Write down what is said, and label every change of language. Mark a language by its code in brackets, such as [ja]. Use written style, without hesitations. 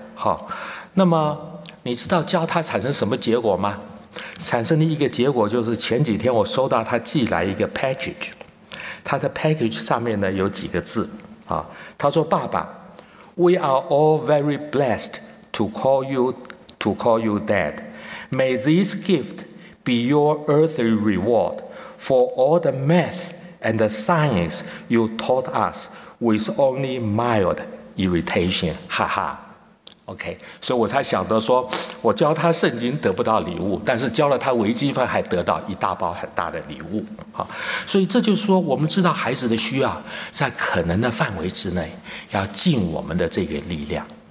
[zh] 好，那么你知道教他产生什么结果吗？产生的一个结果就是前几天我收到他寄来一个 package， 他的 package 上面呢有几个字啊，他说：“爸爸 ， [en] We are all very blessed to call you dad. May this gift be your earthly reward for all the math and the science you taught us with only mild irritation。” [zh] 哈哈。 OK， 所以我才想到说，我教他圣经得不到礼物，但是教了他微积分还得到一大包很大的礼物。所以这就是说，我们知道孩子的需要，在可能的范围之内，要尽我们的这个力量。